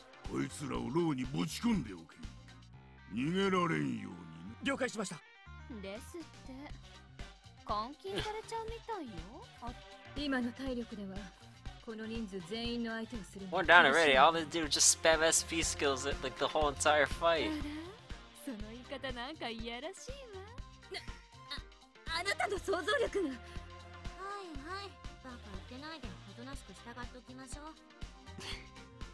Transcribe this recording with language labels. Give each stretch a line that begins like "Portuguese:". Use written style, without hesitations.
Japanese: こいつらを牢にぶち込んでおけ。逃げられんように。了解しました。ですって、監禁されちゃうみたいよ。今の体力ではこの人数全員の相手をする。
English: We're down already. All they do is just spam SP skills like the whole entire fight.
Japanese: その言い方なんかいやらしいわ。あなたの想像力が。はいはい、バカ言ってないで、おとなしく従っておきましょう。